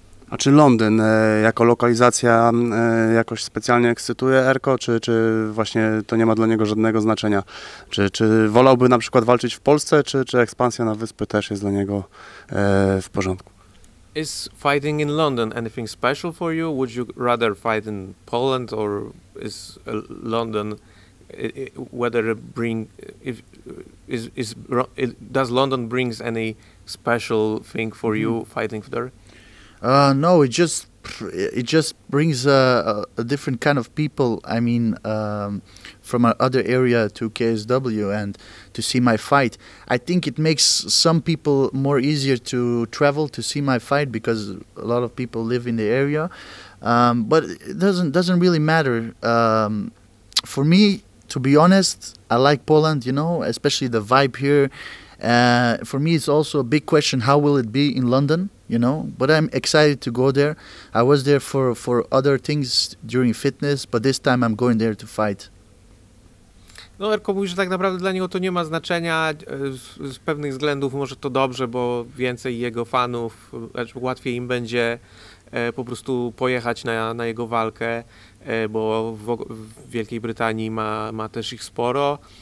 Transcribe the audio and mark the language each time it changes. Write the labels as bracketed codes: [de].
[pl] A czy Londyn jako lokalizacja jakoś specjalnie ekscytuje Erko, czy właśnie to nie ma dla niego żadnego znaczenia? Czy wolałby na przykład walczyć w Polsce, czy ekspansja na wyspy też jest dla niego w porządku? [en] Is fighting in London anything special for you? Would you rather fight in Poland, or is London whether it bring if is is it, does London brings any special thing for you fighting there? No, it just brings a different kind of people. I mean, from another area to KSW and to see my fight. I think it makes some people more easier to travel to see my fight because a lot of people live in the area. But it doesn't really matter. For me, to be honest, I like Poland, you know, especially the vibe here. For me, it's also a big question, how will it be in London? You know, but I'm excited to go there. I was there for other things during fitness, but this time I'm going there to fight. [pl] No, Erko mówi, że tak naprawdę dla niego to nie ma znaczenia. Z pewnych względów może to dobrze, bo więcej jego fanów, łatwiej im będzie po prostu pojechać na jego walkę, bo w Wielkiej Brytanii ma też ich sporo.